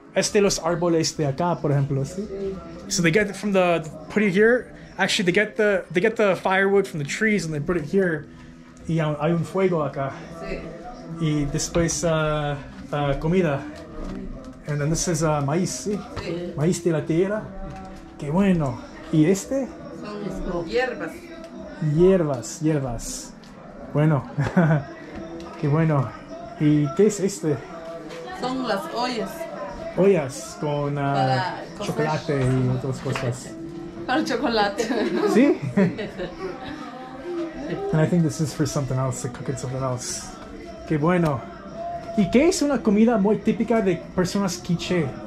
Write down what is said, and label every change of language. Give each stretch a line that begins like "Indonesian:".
Spanish: Este los árboles de acá, por ejemplo, sí?
English: So, they get it from the put it here. Actually, they get the firewood from the trees and they put it here.
Spanish: Y hay un fuego acá. Sí. Y después comida.
English: And then this is maíz, sí?
Spanish: Sí. Maíz de la tierra. Qué bueno. ¿Y este? Son hierbas. Hierbas. Bueno. Qué bueno. ¿Y qué es este? Son las ollas. Ollas con chocolate y otras cosas. Para chocolate. ¿Sí?
English: And I think this is for something else, to cook it something else.
Spanish: Qué bueno. ¿Y qué es una comida muy típica de personas Quiché?